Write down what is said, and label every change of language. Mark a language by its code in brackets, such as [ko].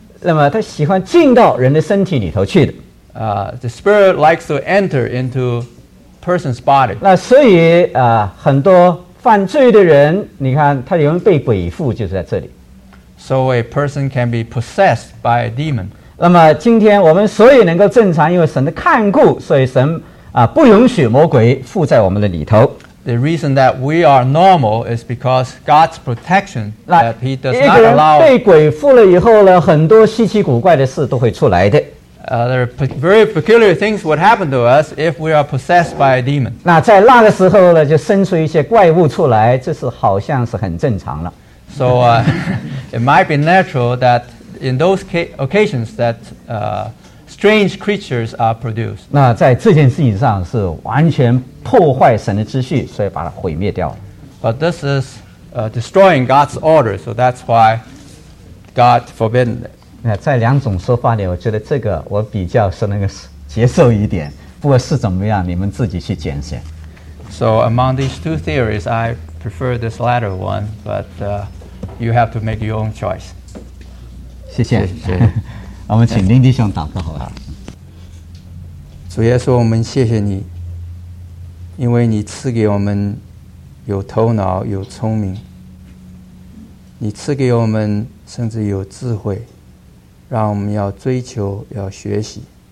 [zh] 那么他喜欢进到人的身体里头去的。 [en] The spirit likes to enter into a person's body. [zh] 那所以很多犯罪的人，你看他有人被鬼附就是在这里。 [en] So a person can be possessed by a demon. [zh] 那么今天我们所以能够正常，因为神的看顾，所以神不允许魔鬼附在我们的里头。 [en] The reason that we are normal is because God's protection that He does not allow. [zh] 被鬼附了以后呢，很多稀奇古怪的事都会出来的。 [en] There are very peculiar things would happen to us if we are possessed by a demon. [zh] 那在那个时候呢，就生出一些怪物出来，这是好像是很正常了。 [en] So it might be natural that in those occasions that strange creatures are produced. [zh] 那在这件事情上是完全破坏神的秩序，所以把它毁灭掉了。 [en] But this is destroying God's order, so that's why God forbidden it. [zh] 那在两种说法里，我觉得这个我比较是能够接受一点。不过是怎么样，你们自己去检验。 [en] So among these two theories, I prefer this latter one, but you have to make your own choice. [zh] 谢谢。谢谢我们请林弟兄祷告好吧。主耶稣，我们谢谢你，因为你赐给我们有头脑有聪明，你赐给我们甚至有智慧，让我们要追求要学习。